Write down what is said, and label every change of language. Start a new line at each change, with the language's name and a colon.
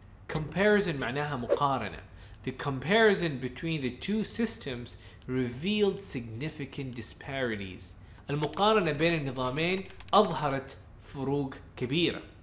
Arabic: Comparison معناها مقارنة.
English: The comparison between the two systems revealed significant disparities.
Arabic: المقارنة بين النظامين أظهرت فروق كبيرة.